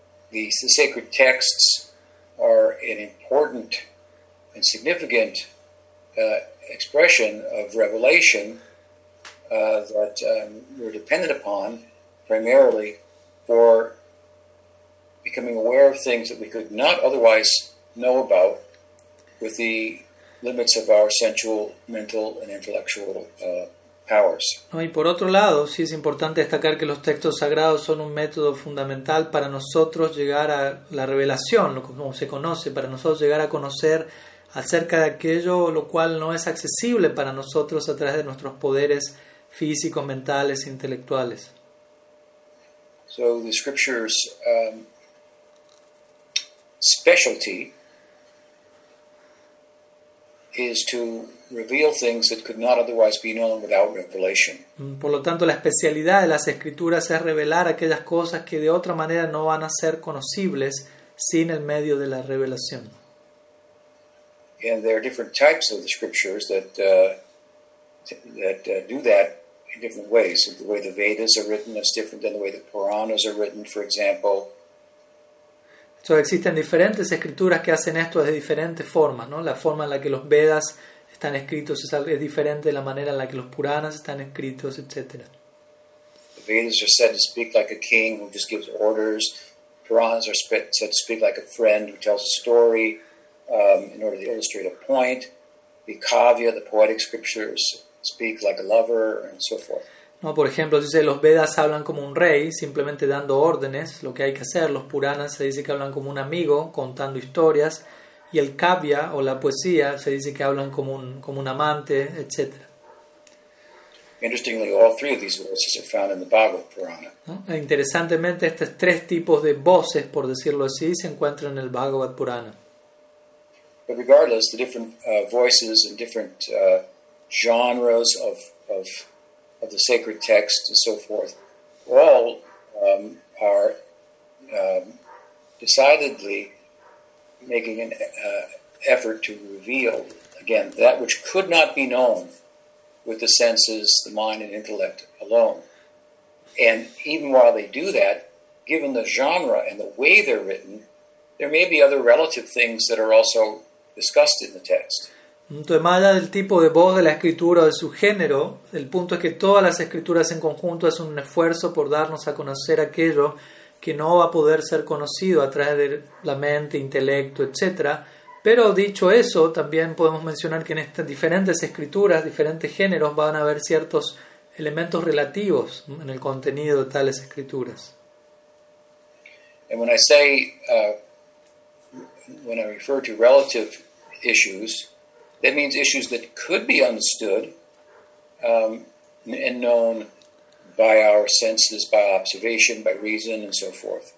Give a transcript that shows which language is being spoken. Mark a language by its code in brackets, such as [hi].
[en] The sacred texts are an important and significant expression of revelation that we're dependent upon primarily for becoming aware of things that we could not otherwise know about with the limits of our sensual, mental, and intellectual powers. [es] Y por otro lado, sí es importante destacar que los textos sagrados son un método fundamental para nosotros llegar a la revelación, como se conoce, para nosotros llegar a conocer acerca de aquello lo cual no es accesible para nosotros a través de nuestros poderes físicos, mentales, intelectuales. [en] So the scriptures specialty is to reveal things that could not otherwise be known without revelation. [es] Por lo tanto, la especialidad de las escrituras es revelar aquellas cosas que de otra manera no van a ser conocibles sin el medio de la revelación. [en] And there are different types of the scriptures that do that in different ways. So the way the Vedas are written is different than the way the Puranas are written, for example. [es] So, existen diferentes escrituras que hacen esto de diferentes formas, ¿no? La forma en la que los Vedas están escritos es diferente de la manera en la que los Puranas están escritos, etc. [en] The Vedas are said to speak like a king who just gives orders. Puranas are said to speak like a friend who tells a story in order to illustrate a point. The Kavya, the poetic scriptures, speak like a lover and so forth. [es] No, por ejemplo, dice los Vedas hablan como un rey, simplemente dando órdenes, lo que hay que hacer. Los Puranas se dice que hablan como un amigo, contando historias. Y el Kavya, o la poesía, se dice que hablan como un amante, etc. [en] Interestingly, all three of these voices are found in the Bhagavad Purana. [es] ¿No? Interesantemente, estos tres tipos de voces, por decirlo así, se encuentran en el Bhagavad Purana. [en] But regardless, the different voices and different genres of the sacred text and so forth, all are decidedly making an effort to reveal, again, that which could not be known with the senses, the mind, and intellect alone. And even while they do that, given the genre and the way they're written, there may be other relative things that are also discussed in the text. [es] Entonces, más allá del tipo de voz de la escritura o de su género, el punto es que todas las escrituras en conjunto es un esfuerzo por darnos a conocer aquello que no va a poder ser conocido a través de la mente, intelecto, etc. Pero dicho eso, también podemos mencionar que en estas diferentes escrituras, diferentes géneros, van a haber ciertos elementos relativos en el contenido de tales escrituras. [en] And when I say, when I refer to relative issues, that means issues that could be understood and known by our senses, by observation, by reason, and so forth.